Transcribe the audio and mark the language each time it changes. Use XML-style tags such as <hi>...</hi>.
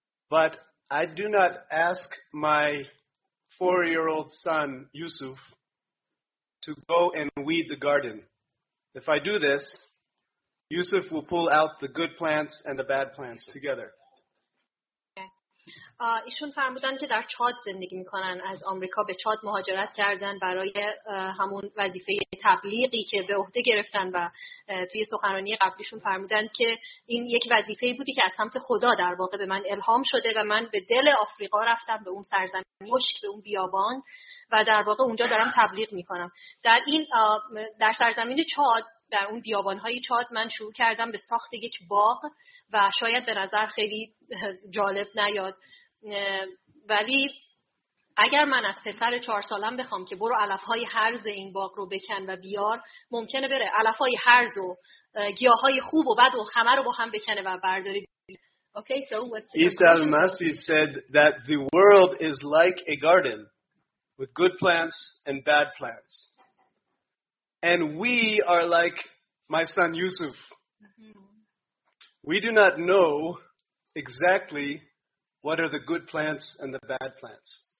<en>But I do not ask my 4-year-old son, Yusuf, to go and weed the garden. If I do this, Yusuf will pull out the good plants and the bad plants together.</en> <fa>ایشون فرمودن که در چاد زندگی میکنن، از آمریکا به چاد مهاجرت کردن برای همون وظیفه تبلیغی که به عهده گرفتن و توی سخنرانی قبلیشون فرمودن که این یک وظیفه بودی که از سمت خدا در واقع به من الهام شده و من به دل آفریقا رفتم، به اون سرزمین مشک، به اون بیابان و در واقع اونجا دارم تبلیغ میکنم. در این در سرزمین چاد در اون بیابان‌های چاد من شروع کردم به ساخت یک باغ و شاید به نظر خیلی جالب نیاد، ولی اگر من از پسر 4 سالم بخوام که برو علف‌های هرز این باغ رو بکن و بیار، ممکنه بره علف‌های هرز و گیاه‌های خوب و بد و همه رو با هم بکنه و برداره.</fa> <en>Okay, so what's the question? Masi said that the world is like a garden with good plants and bad plants. And we are like my son Yusuf. We do not know exactly what are the good plants and the bad plants.</en>